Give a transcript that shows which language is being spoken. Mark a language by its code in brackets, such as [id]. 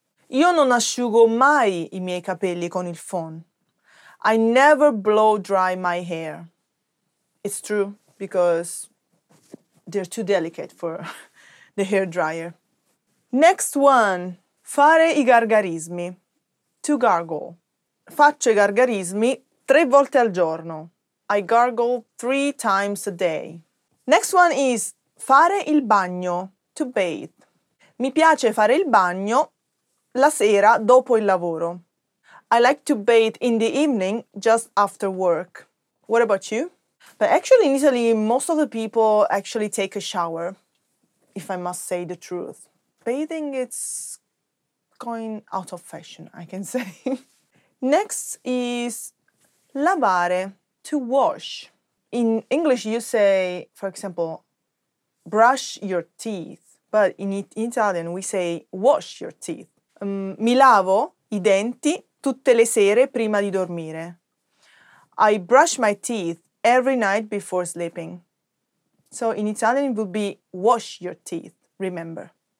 [it] Io non asciugo mai I miei capelli con il phon. [en] I never blow dry my hair. It's true because they're too delicate for the hair dryer. Next one, fare I gargarismi, to gargle. [it] Faccio I gargarismi 3 volte al giorno. [en] I gargle 3 times a day. Next one is fare il bagno, to bathe. [it] Mi piace fare il bagno la sera dopo il lavoro. [en] I like to bathe in the evening just after work. What about you? But actually in Italy, most of the people actually take a shower, if I must say the truth. Bathing, it's going out of fashion, I can say. Next is lavare, to wash. In English, you say, for example, brush your teeth. But in Italian, we say wash your teeth. [it] Mi lavo I denti tutte le sere prima di dormire. [en] I brush my teeth every night before sleeping. So in Italian, it would be wash your teeth, remember.